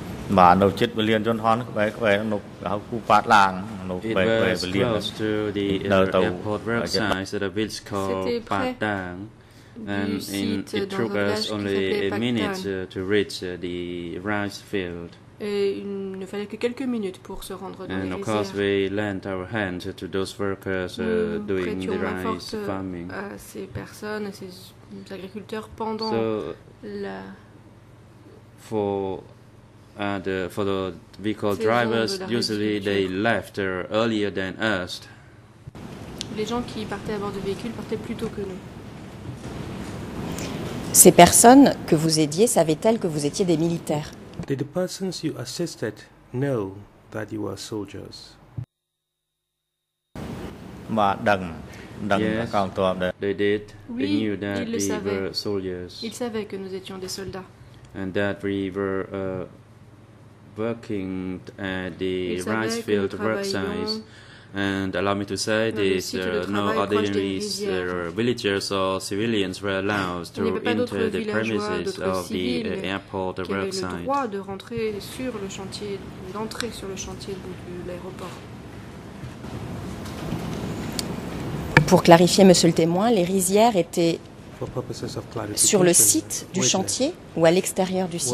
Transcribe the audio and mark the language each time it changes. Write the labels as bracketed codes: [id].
[en] It was close to the airport work site at a village called Pat Dang. And it took us only a minute to reach the rice field. [fr] Et il ne fallait que quelques minutes pour se rendre dans les rizières. [en] And of course we lent our hands to those workers doing the rice farming. [fr] À ces personnes, à ces agriculteurs pendant la... [en] For the vehicle drivers, usually they left earlier than us. [fr] Les gens qui partaient à bord de véhicules partaient plus tôt que nous. Ces personnes que vous aidiez savaient-elles que vous étiez des militaires? [en] Did the persons you assisted know that you were soldiers? Yes, they did. They knew that we were soldiers. [fr] Ils savaient que nous étions des soldats. [en] And that we were working at the rice field work site. And allow me to say this, no ordinary villagers or civilians were allowed to enter the premises of the airport work site. [fr] Qui avait le droit de rentrer sur le chantier, d'entrer sur le chantier de l'aéroport. Pour clarifier, monsieur le témoin, les rizières étaient [en] for purposes of clarification, [fr] sur le site du chantier ou à l'extérieur du site?